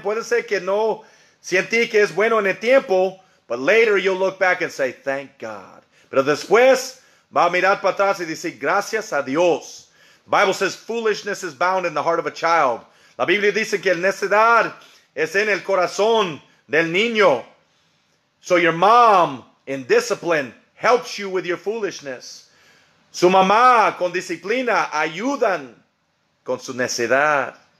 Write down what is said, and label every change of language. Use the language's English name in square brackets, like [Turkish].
[Spanish] Puede ser que no sientí que es bueno en el tiempo. [English] But later you'll look back and say, thank God. [Spanish] Pero después va a mirar para atrás y decir, gracias a Dios. [English] The Bible says foolishness is bound in the heart of a child. [Spanish] La Biblia dice que la necedad es en el corazón del niño. [English] So your mom, in discipline, helps you with your foolishness. [Spanish] Su mamá, con disciplina, ayudan con su necedad.